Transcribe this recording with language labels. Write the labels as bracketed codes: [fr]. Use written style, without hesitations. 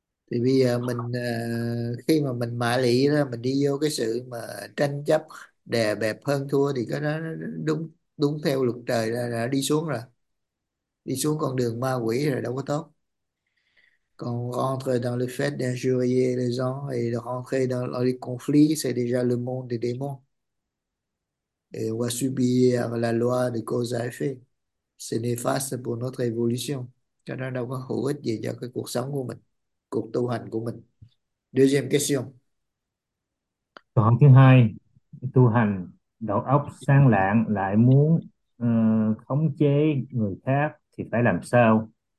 [vi] thì bây giờ mình khi mà mình mã lị đó mình đi vô cái sự mà tranh chấp đè bẹp hơn thua thì cái đó đúng đúng theo luật trời đã đi xuống rồi đi xuống con đường ma quỷ rồi đâu có tốt. [fr] Quand on rentre dans le fait d'injurier les gens et de rentrer dans les conflits, c'est déjà le monde des démons. Et on va subir la loi de cause à effet. C'est néfaste pour notre évolution. [vi] Cho nên đâu có hữu ích gì cho cái cuộc sống của mình, cuộc tu hành của mình. [fr] Deuxième question. [vi] Câu hỏi thứ hai, tu hành đầu óc sáng lạng lại muốn khống chế người khác thì phải làm sao?